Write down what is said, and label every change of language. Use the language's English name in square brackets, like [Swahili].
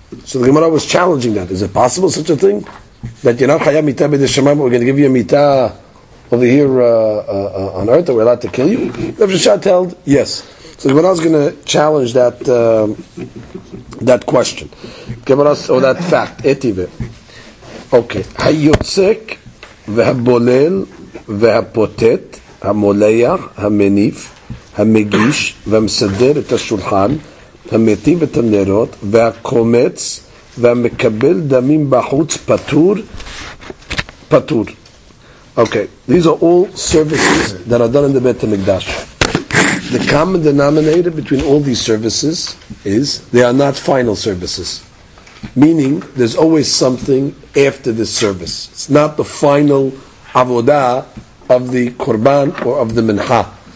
[English] So the Gemara was challenging that. Is it possible such a thing? That you're not [Hebrew] chayav mita b'shamayim, [English] we're going to give you a mita over here on earth, that we're allowed to kill you? Rav Sheshat held, yes. So the Gemara is going to challenge that that question. Gemara, or that fact, etive. Okay. [Hebrew] Hayotzek v'habolel v'hapotet ha-moleyach ha-menif המגיש והמסדר את השולחן, המתים את הנרות, והקומץ, והמקבל דמים בחוץ, פטור, פטור. [English] Okay, these are all services that are done in the Beit HaMikdash. The common denominator between all these services is they are not final services. Meaning, there's always something after this service. It's not the final avodah of the korban or of the mincha.